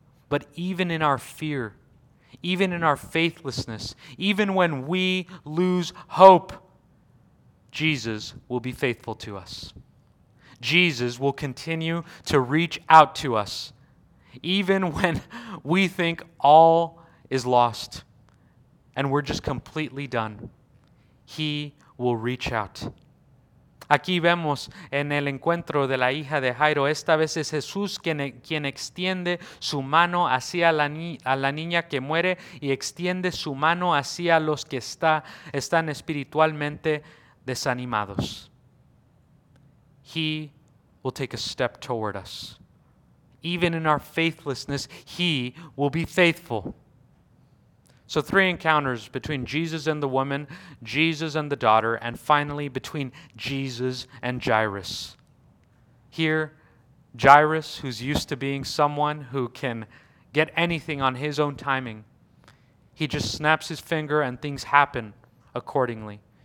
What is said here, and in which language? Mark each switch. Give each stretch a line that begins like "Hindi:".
English: But even in our fear, even in our faithlessness, even when we lose hope, Jesus will be faithful to us. Jesus will continue to reach out to us, even when we think all is lost and we're just completely done. He will reach out.
Spanish: Aquí vemos en el encuentro de la hija de Jairo, esta vez es Jesús quien extiende su mano hacia la niña que muere y extiende su mano hacia los que están espiritualmente desanimados.
English: He will take a step toward us. Even in our faithlessness, he will be faithful. So three encounters between Jesus and the woman, Jesus and the daughter, and finally between Jesus and Jairus. Here, Jairus, who's used to being someone who can get anything on his own timing, he just snaps his finger and things happen accordingly.